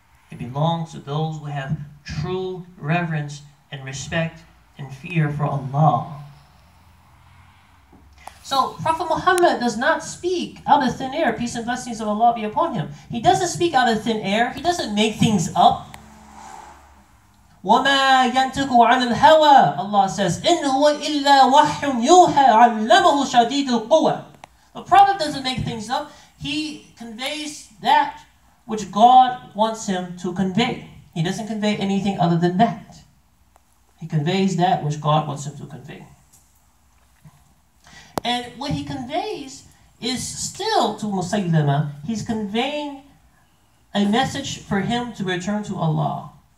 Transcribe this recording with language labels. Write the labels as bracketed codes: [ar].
[en] It belongs to those who have true reverence and respect and fear for Allah. So Prophet Muhammad does not speak out of thin air, peace and blessings of Allah be upon him. He doesn't speak out of thin air. He doesn't make things up. [ar] وَمَا يَنْتُقُ عَنِ الْهَوَىٰ. [en] Allah says, [ar] إِنْهُ إِلَّا وَحْيٌ يُوحَىٰ عَلَّمَهُ شَدِيدُ الْقُوَىٰ. [en] The Prophet doesn't make things up. He conveys that which God wants him to convey. He doesn't convey anything other than that. He conveys that which God wants him to convey. And what he conveys is still to Musaylimah, he's conveying a message for him to return to Allah.